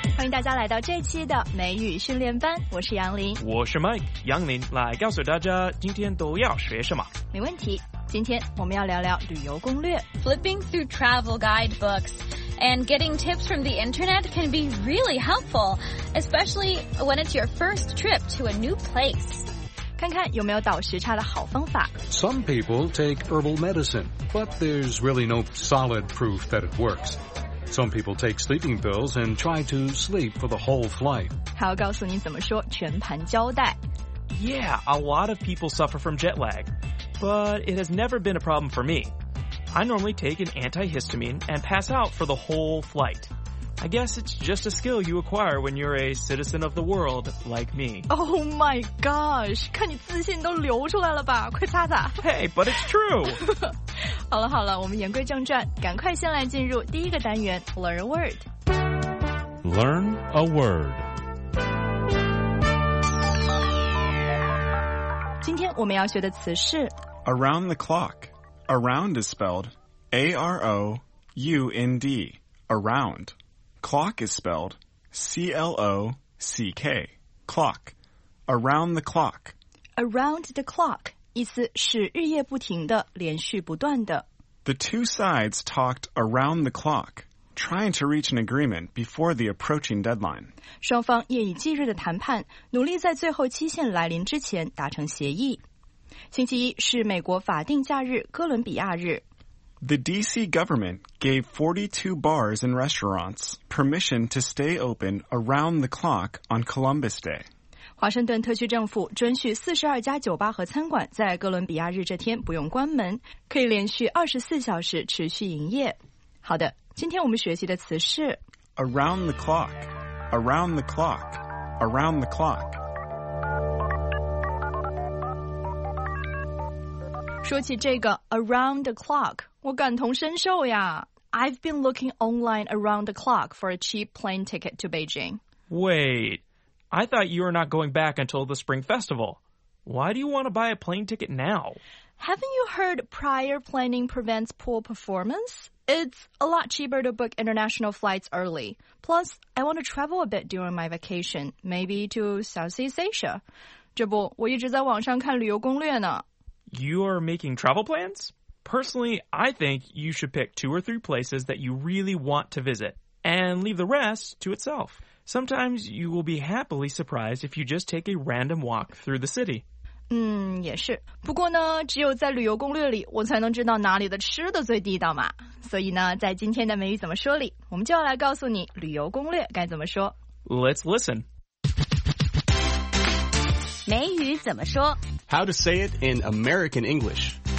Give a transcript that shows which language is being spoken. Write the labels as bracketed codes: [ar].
[zh] 大家来到这期的美语训练班，我是杨林，我是 Mike， 杨林来告诉大家今天都要学什么。没问题，今天我们要聊聊旅游攻略。 [en] Flipping through travel guidebooks and getting tips from the internet can be really helpful, especially when it's your first trip to a new place. [zh] 看看有没有倒时差的好方法。 [en] Some people take herbal medicine, but there's really no solid proof that it works. Some people take sleeping pills and try to sleep for the whole flight. [zh] 还要告诉你怎么说全盘交代。 [en] Yeah, a lot of people suffer from jet lag, but it has never been a problem for me. I normally take an antihistamine and pass out for the whole flight. I guess it's just a skill you acquire when you're a citizen of the world, like me. Oh my gosh, [zh] 看你自信都流出来了吧，快擦擦。 [en] Hey, but it's true. [zh] 好了好了，我们言归正传，赶快先来进入第一个单元 [en] Learn a Word. Learn a Word. [zh] 今天我们要学的词是 [en] Around the clock. Around is spelled A-R-O-U-N-D. Around. Clock is spelled C-L-O-C-K, clock, around the clock. Around the clock, [zh] 意思是日夜不停的，连续不断的。 [en] The two sides talked around the clock, trying to reach an agreement before the approaching deadline. [zh] 双方夜以继日的谈判，努力在最后期限来临之前达成协议。星期一是美国法定假日哥伦比亚日。 [en] The D.C. government gave 42 bars and restaurants permission to stay open around the clock on Columbus Day. [zh] 华盛顿特区政府准许42家酒吧和餐馆在哥伦比亚日这天不用关门，可以连续24小时持续营业。好的，今天我们学习的词是 [en] Around the clock, around the clock, around the clock. [zh] 说起这个 [en] around the clock, [zh] 我感同身受呀。 [en] I've been looking online around the clock for a cheap plane ticket to Beijing. Wait, I thought you were not going back until the Spring Festival. Why do you want to buy a plane ticket now? Haven't you heard prior planning prevents poor performance? It's a lot cheaper to book international flights early. Plus, I want to travel a bit during my vacation, maybe to Southeast Asia. [zh] 这不，我一直在网上看旅游攻略呢。 [en] You are making travel plans? Personally, I think you should pick two or three places that you really want to visit and leave the rest to itself. Sometimes you will be happily surprised if you just take a random walk through the city. [zh] 也是。不过呢，只有在旅游攻略里，我才能知道哪里的吃的最地道嘛。所以呢，在今天的美语怎么说里，我们就要来告诉你旅游攻略该怎么说。 [en] Let's listen. [zh] 美语怎么说 [en] How to say it in American English.